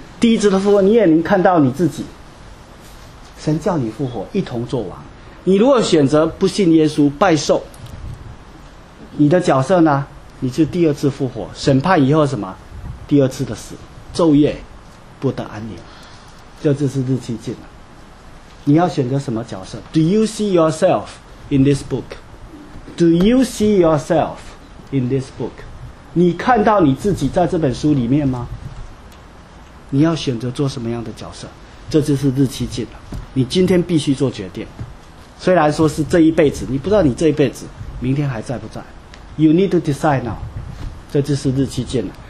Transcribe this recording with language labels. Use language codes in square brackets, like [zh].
[zh] 第一次的复活，你也能看到你自己。神叫你复活，一同作王。你如果选择不信耶稣，拜受，你的角色呢？你是第二次复活，审判以后什么？第二次的死，昼夜不得安宁。这就是日期近了。你要选择什么角色？ [en] Do you see yourself in this book? Do you see yourself in this book? [zh] 你看到你自己在这本书里面吗？你要选择做什么样的角色？这就是日期近了，你今天必须做决定。虽然说是这一辈子，你不知道你这一辈子明天还在不在。 [en] You need to decide now。 [zh] 这就是日期近了。